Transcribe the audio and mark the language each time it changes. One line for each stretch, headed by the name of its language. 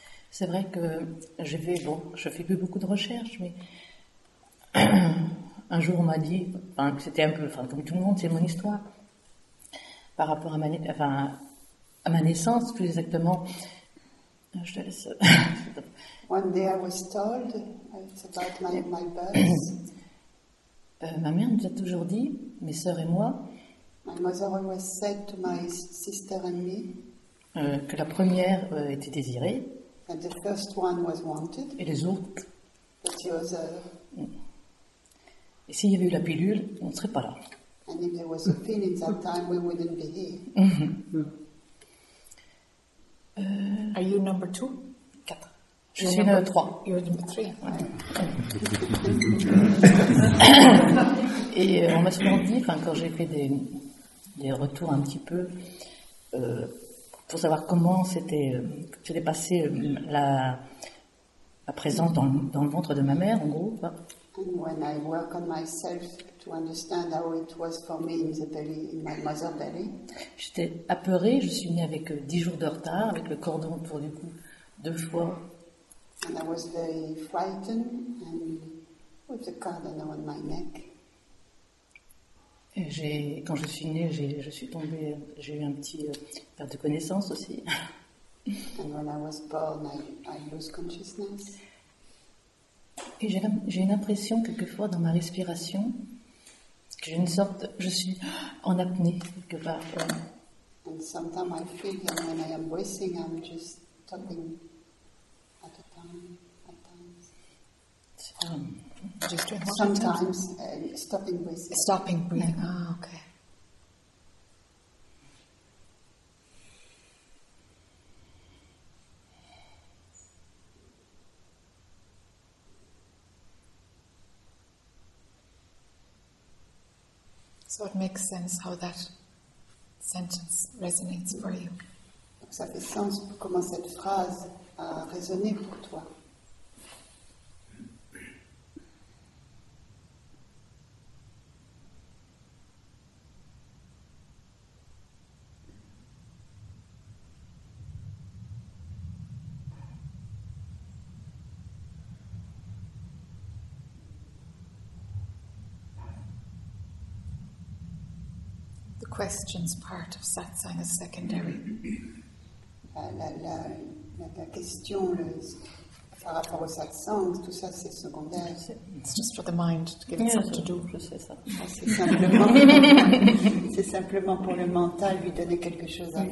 French: C'est vrai que je fais plus beaucoup de recherches, mais un jour on m'a dit, enfin, c'était un peu, enfin, comme tout le monde, c'est mon histoire, par rapport à ma naissance, plus exactement. Je te laisse.
English: One day I was told about my birth.
French: Ma mère nous a toujours dit, mes sœurs et moi.
English: My mother always said to my sister and me.
French: Que la première était désirée.
English: And the first one was wanted.
French: Et les autres.
English: But the other.
French: Et s'il y avait eu la pilule, on ne serait pas là.
English: And if there was a pill in that time, we wouldn't be here. Are you number two?
French: Quatre. Je suis number trois.
English: You're number three.
French: Ouais. Et on m'a souvent dit, enfin, quand j'ai fait des retours un petit peu. Pour savoir comment c'était passé la présence dans le ventre de ma mère, en gros.
English: And when I work on myself to understand how it was for me in the belly, in my mother's belly.
French: J'étais apeurée, je suis née avec 10 jours de retard, avec le cordon pour du coup 2 fois.
English: And I was very frightened and with the cordon on my neck.
French: Et quand je suis née, je suis tombée, j'ai eu un petit perte de connaissance aussi.
English: And when I was born, I lose consciousness.
French: Et j'ai une impression quelquefois dans ma respiration que j'ai une sorte, je suis en apnée quelque part.
English: And sometimes I feel that when I am breathing, I'm just stopping at a time, at times. Just sometimes stopping breathing. Stopping breathing. Ah, oh, okay. So it makes sense how that sentence resonates for you.
French: Ça fait sens comment cette phrase a résonné pour toi.
English: Questions part of satsang is secondary.
French: La question, par rapport au satsang, tout ça c'est secondaire.
English: It's just for the mind to give it something to do.
French: Je sais ça. C'est simplement pour le mental, lui donner quelque chose à faire.